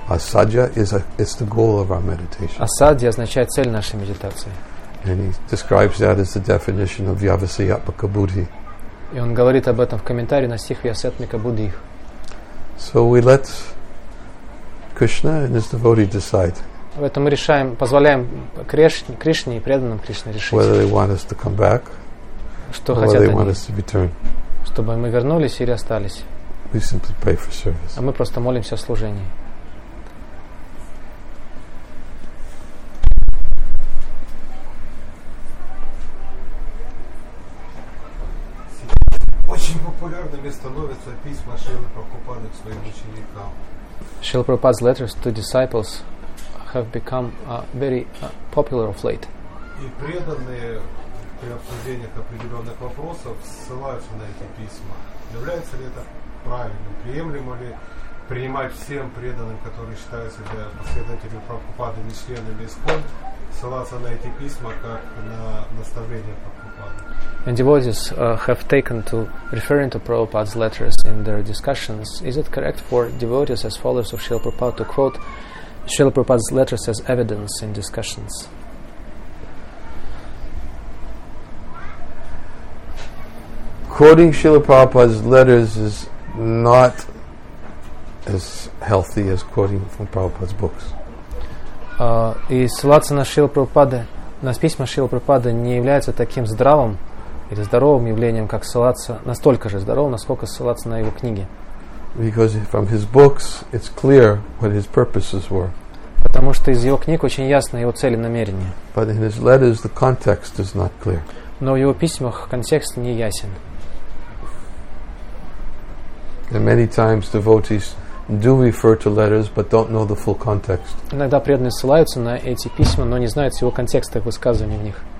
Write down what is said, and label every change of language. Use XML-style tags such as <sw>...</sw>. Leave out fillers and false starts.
<en>Asadhya is a, it's the goal of our meditation.</en> <ru>Asadhya означает цель нашей медитации.</ru> <en>And he describes that as the definition of Vyavasayapaka Buddhi.</en> <ru>И он говорит об этом в комментарии на стих Vyavasayapaka Buddhi.</ru> <en>So we let Krishna and his devotee decide.</en> <ru>Поэтому мы решаем, позволяем Кришне и преданным Кришне решить.</ru> <en>Whether they want us to come back.</en> <ru>Что хотят</ru> <en>they</en> <ru>они?</ru> <en>Want us to return.</en> <ru>Чтобы мы вернулись или остались.</ru> <en>We simply pray for service.</en> <ru>А мы просто молимся о служении. Очень популярными становятся письма Шрилы Прабхупады к своим ученикам.</ru> <en>Шрила Прабхупада's letters to disciples have become very popular of late.</en> <ru>И преданные при обсуждении определенных вопросов ссылаются на эти письма. Является ли это правильным, приемлемо ли принимать всем преданным, которые считаются для последователей Прабхупады не членами ИСКОН, ссылаться на эти письма как на наставление Прабхупады?</ru> <en>And devotees have taken to referring to Prabhupada's letters in their discussions. Is it correct for devotees as followers of Srila Prabhupada to quote Srila Prabhupada's letters as evidence in discussions? Quoting Srila Prabhupada's letters is not as healthy as quoting from Prabhupada's books.</en> <ru>И ссылаться на Шрилу Прабхупаду, на письма Шрилы Прабхупады не является таким здравым или здоровым явлением, как ссылаться, настолько же здоровым, насколько ссылаться на его книги.</ru> <en>Because from his books it's clear what his purposes were.</en> <ru>Потому что из его книг очень ясно его цели и намерения.</ru> <en>But in his letters the context is not clear.</en> <ru>Но в его письмах контекст не ясен.</ru> <en>And many times devotees do refer to letters, but don't know the full context.</en> <ru>Иногда преданные ссылаются на эти письма, но не знают всего контекста высказываний в них.</ru>